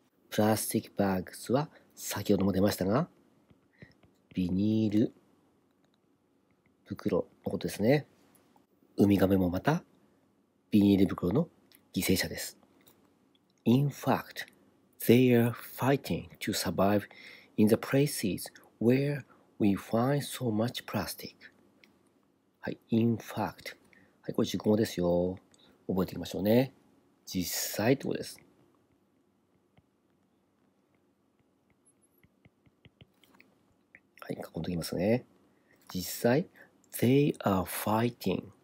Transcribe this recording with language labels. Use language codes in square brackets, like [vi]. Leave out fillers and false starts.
[ja] プラスティックバーグスは、先ほども出ましたが、ビニール袋のことですね。ウミガメもまたビニール袋の犠牲者です。 [en] In fact, they are fighting to survive in the places where we find so much plastic. [ja] はい、 [en] in fact。 [ja] はい、これ熟語ですよ。覚えていきましょうね。実際ってことです。はい、囲んでおきますね。実際、 [en] they are fighting。